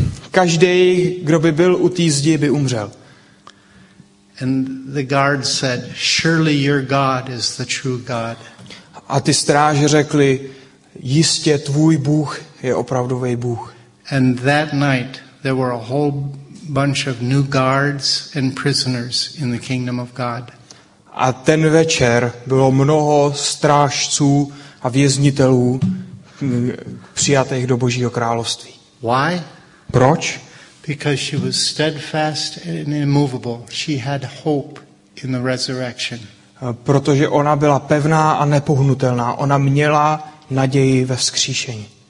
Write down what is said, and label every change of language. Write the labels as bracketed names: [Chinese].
[Czech] Každý, kdo by byl u té zdi, by umřel. [English] And the guard said, "Surely your God is the true God." [Czech] A ty stráže řekli, jistě tvůj Bůh je opravdový Bůh. [English] And that night there were a whole bunch of new guards and prisoners in the kingdom of God. [Czech] A ten večer bylo mnoho strážců a věznitelů přijatých do Božího království. [English] Why? [Czech] Proč? [English] Because she was steadfast and immovable. She had hope in the resurrection. [Czech] Protože ona byla pevná a nepohnutelná. Ona měla naději ve vzkříšení.